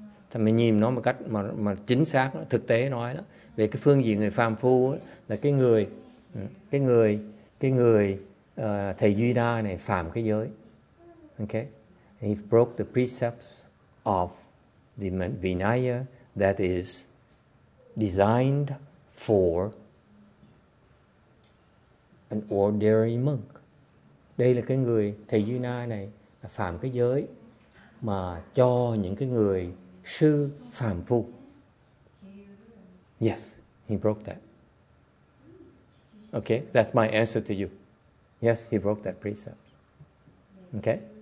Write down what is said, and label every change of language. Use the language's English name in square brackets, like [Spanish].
[Vietnamese] Thì mình nhìn nó một cách mà chính xác, thực tế nói đó. Về cái phương diện người phàm phu là cái người thầy Duy Đa này phạm cái giới. [English] Okay? He broke the precepts of the Vinaya that is designed for an ordinary monk. [Vietnamese] Đây là cái người thầy Duy Na này phạm cái giới mà cho những cái người sư phàm phu. [English] Yes, he broke that. Okay, that's my answer to you. Yes, he broke that precept. Okay?